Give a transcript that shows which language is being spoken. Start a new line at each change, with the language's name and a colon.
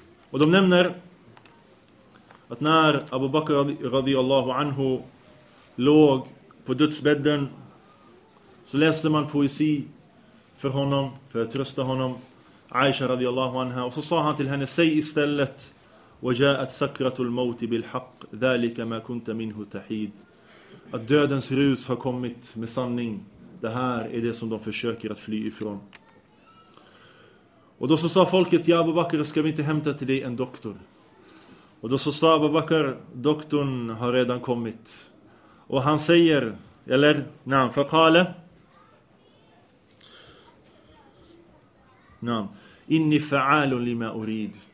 Swedish: Och de nämner att när Abu Bakr radiyallahu anhu låg på dödsbädden, så läste man poesi för honom, för att trösta honom. Aisha radiyallahu anha. Och så sa han till henne: säg istället:
Arabic: وَجَاءَتْ سَكْرَةُ الْمَوْتِ بِالْحَقِّ ذَلِكَ مَا كُنْتَ مِنْهُ تَحِيد.
Swedish: Att dödens rus har kommit med sanning. Det här är det som de försöker att fly ifrån. Och då så sa folket: ja, Abu Bakr, ska vi inte hämta till dig en doktor? Och då så sa Abu Bakr: doktorn har redan kommit. Och han säger, eller
Arabic: nam, faqale nam, inni fa'alun lima urid.